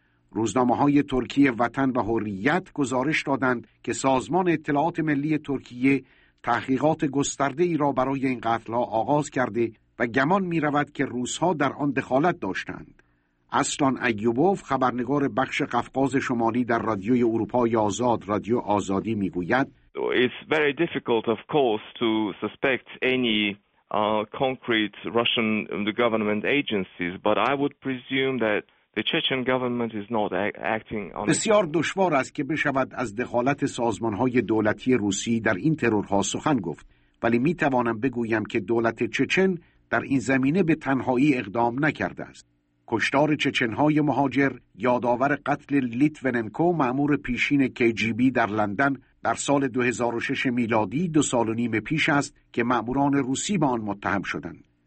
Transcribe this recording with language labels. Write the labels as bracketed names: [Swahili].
[Persian] روزنامه‌های ترکیه وطن و حریت گزارش دادند که سازمان اطلاعات ملی ترکیه تحقیقات گسترده‌ای را برای این قتل‌ها آغاز کرده و گمان می رود که روس‌ها در آن دخالت داشتند. اسلان ایوبوف، خبرنگار بخش قفقاز شمالی در رادیوی اروپای آزاد، رادیو آزادی، می گوید: [English] It's very difficult, of course, to suspect any concrete Russian government agencies, but I would presume that the Chechen government is not acting on. [Persian] بسیار دشوار است که بشود از دخالت سازمان‌های دولتی روسی در این ترورها سخن گفت، ولی می توانم بگویم که دولت چچن در این زمینه به تنهایی اقدام نکرده است. کشتار چچنهای مهاجر یادآور قتل لیتوننکو، مأمور پیشین KGB در لندن در سال 2006 میلادی، 2.5 سال پیش است که مأموران روسی به آن متهم شدند.